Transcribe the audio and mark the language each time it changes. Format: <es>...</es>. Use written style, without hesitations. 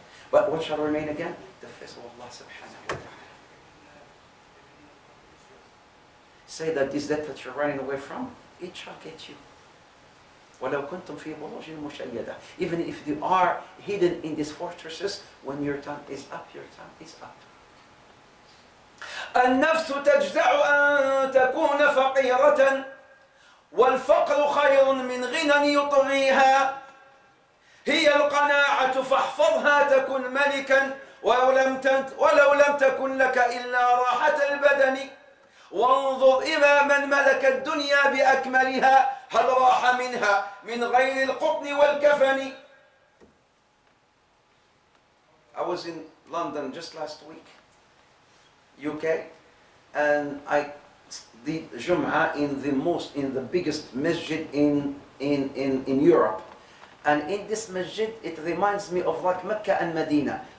<en>But what shall remain again? The face of Allah subhanahu wa ta'ala. Say that this death that you're running away from, it shall get you.</en> <ar>وَلَوْ كُنْتُمْ فِي بُرُوجٍ مُشَيَّدَةٍ.</ar> <en>Even if you are hidden in these fortresses, when your time is up, your time is up.</en> <ar>النَّفْسُ تَجْزَعُ أَن تَكُونَ فَقِيرَةً وَالْفَقْرُ خَيْرٌ مِنْ غِنًى يُطْغِيهَا هِيَ الْقَنَاعَةُ فَاحْفَظْهَا تَكُنْ مَلِكًا وَلَوْ لَمْ تَكُنْ لَكَ إِلَّا رَاحَةَ الْبَدَنِ وانظر إلى من ملك الدنيا بأكملها هل راح منها من غير القطن والكفن.</ar> <en>I was in London just last week, UK, and I did Jum'ah in the biggest masjid in Europe. And in this masjid, it reminds me of like Mecca and Medina.</en>